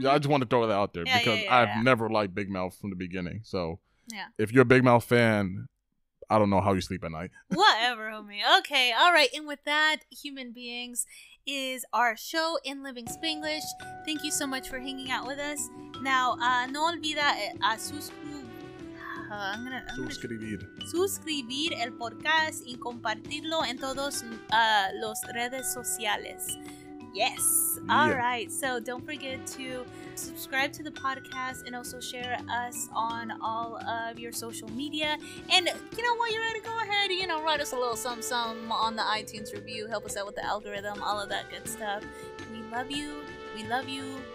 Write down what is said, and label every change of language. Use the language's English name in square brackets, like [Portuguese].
[English] Yeah, I just want to throw that out there, because I've never liked Big Mouth from the beginning. So, yeah. If you're a Big Mouth fan, I don't know how you sleep at night. Whatever, homie. Okay, all right. And with that, human beings, is our show In Living Spanglish. Thank you so much for hanging out with us. [Spanish] Now, no olvida a suscribir el podcast y compartirlo en todos los redes sociales. [English] Yes. Yeah. All right. So don't forget to subscribe to the podcast and also share us on all of your social media. And you know what? You're going to go ahead, you know, write us a little something on the iTunes review. Help us out with the algorithm, all of that good stuff. We love you. We love you.